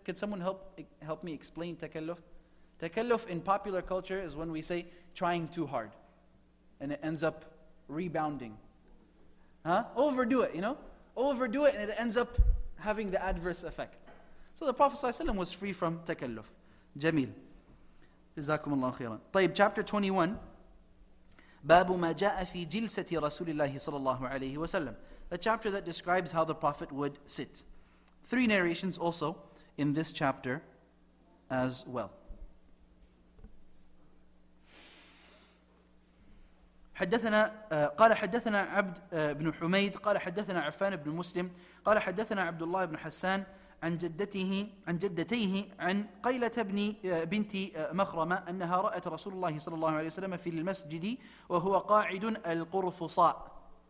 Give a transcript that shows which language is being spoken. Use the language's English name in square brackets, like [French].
[English] Can someone help me explain takalluf? Takalluf in popular culture is when we say trying too hard. And it ends up rebounding. Huh? Overdo it, you know? Overdo it and it ends up having the adverse effect. So the Prophet ﷺ was free from takalluf. Jameel. [Arabic] Jazakum Allah khairan. طيب, [English] chapter 21. [Arabic] باب ما جاء في جلسة رسول الله صلى الله عليه وسلم. [English] A chapter that describes how the Prophet would sit. Three narrations also in this chapter as well. [Arabic] حدثنا قال حدثنا عبد بن حميد قال حدثنا عفان بن مسلم قال حدثنا عبد الله بن حسان عن جدتيه عن قيلة بنت مخرمة أنها رأت رسول الله صلى الله عليه وسلم في المسجد وهو قاعد القرفصاء.